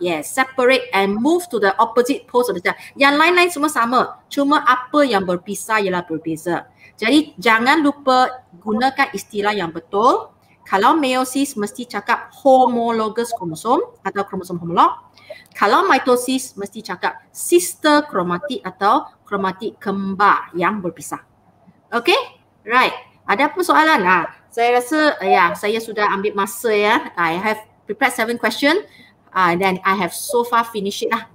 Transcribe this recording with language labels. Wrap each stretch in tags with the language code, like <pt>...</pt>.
<en>Yes, separate and move to the opposite pose of the cell.</en> <ms>Yang lain-lain semua sama. Cuma apa yang berpisah ialah berbeza. Jadi jangan lupa gunakan istilah yang betul. Kalau meiosis mesti cakap homologous chromosome atau chromosome homolog. Kalau mitosis mesti cakap sister chromatid atau chromatid kembar yang berpisah. Okay? Right. Ada apa soalan? Saya rasa saya sudah ambil masa ya.</ms> <en>I have prepared 7 questions. Then I have so far finished it lah.</en>